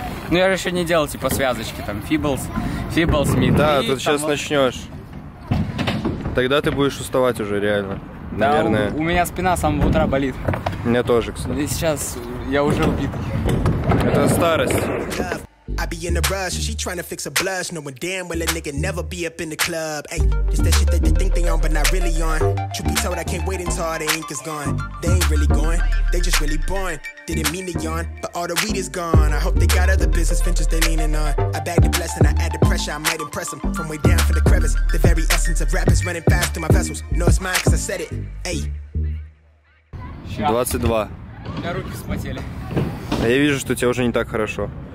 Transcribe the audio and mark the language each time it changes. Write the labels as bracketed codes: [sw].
[ru] Ну я же еще не делал типа связочки там. Фиблс, мид. Да, тут сейчас начнешь. Тогда ты будешь уставать уже, реально. Да, наверное. У меня спина с самого утра болит. У меня тоже, кстати. И сейчас я уже убит. Это старость. [en] I be in a rush, she tryna fix a blush. Knowing damn well a nigga never be up in the club. Ayy, just that shit that they think they on, but not really on. Truth be told, I can't wait until all the ink is gone. They ain't really going, they just really boring. Didn't mean to yawn, but all the weed is gone. I hope they got other business ventures they leaning on. I bag the blessing, I add the pressure, I might impress them. From way down from the crevice, the very essence of rap is running fast through my vessels. No, it's mine, cause I said it, ayy. 22. [ru] У меня руки вспотели. А я вижу, что тебе уже не так хорошо.